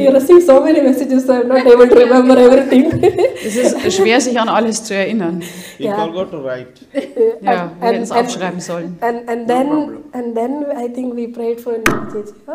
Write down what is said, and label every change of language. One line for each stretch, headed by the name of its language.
English: I receive so many messages, so I'm not able to remember everything.
German: Es ist schwer, sich an alles zu erinnern.
English: We all got to write.
German: Ja, wir hätten es aufschreiben sollen.
English: And then I think we prayed for Nancy.